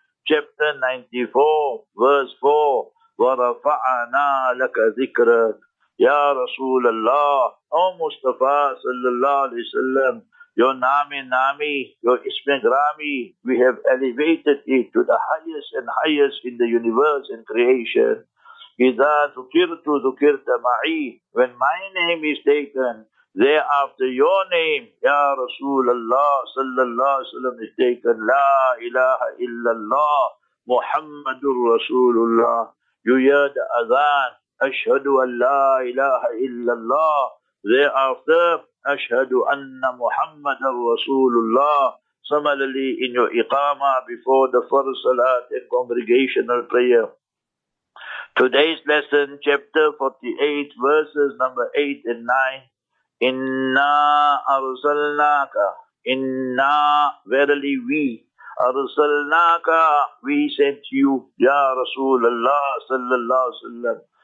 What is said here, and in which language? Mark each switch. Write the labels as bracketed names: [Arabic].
[English] Chapter 94, verse 4, [Arabic] وَرَفَعَنَا لَكَ ذِكْرًا. [English] Ya Rasool Allah, O Mustafa Sallallahu Alaihi Wasallam, your Nami Nami, your Ismi Grami, we have elevated it to the highest and highest in the universe and creation. [Arabic] إِذَا ذُكِرْتُ ذُكِرْتَ مَعِي. [English] When my name is taken, thereafter your name, Ya Rasool Allah sallallahu alayhi wa sallam, is taken. [Arabic] La ilaha illallah Muhammadur Rasulullah. [English] You hear the adhan, [Arabic] أَشْهَدُ أَنْ لَا إِلَهَ إِلَّا اللَّهِ. [English] Thereafter, [Arabic] أَشْهَدُ أَنَّ مُحَمَّدًا رَسُولُ اللَّهِ. [English] Similarly, in your iqama before the first salat and congregational prayer. Today's lesson, chapter 48, verses number 8 and 9. [Arabic] Inna arsalnaka, inna, [English] verily we, [Arabic] arsalnaka, [English] we sent you, Ya Rasulullah sallallahu alayhi wa sallam.